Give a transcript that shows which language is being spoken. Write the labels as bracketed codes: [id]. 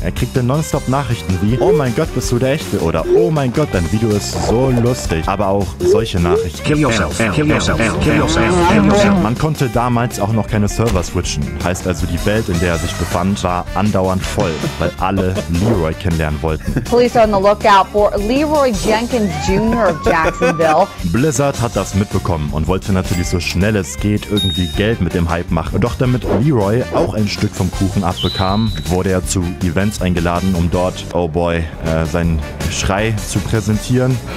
[de] Er kriegte nonstop Nachrichten wie, oh mein Gott, bist du der Echte? Oder, oh mein Gott, dein Video ist so lustig. Aber auch solche Nachrichten. [en] Kill yourself, kill yourself, kill yourself, kill yourself. [de] Man konnte damals auch noch keine Server switchen. Heißt also, die Welt, in der er sich befand, war andauernd voll, weil alle Leroy kennenlernen wollten. [en] Police on the lookout for Leroy Jenkins Jr. of Jacksonville. [de] Blizzard hat das mitbekommen und wollte natürlich so schnell es geht irgendwie Geld mit dem Hype machen. Doch damit Leroy auch ein Stück vom Kuchen abbekam, wurde er zu Events eingeladen, um dort, [en] oh boy, [de] seinen Schrei zu präsentieren.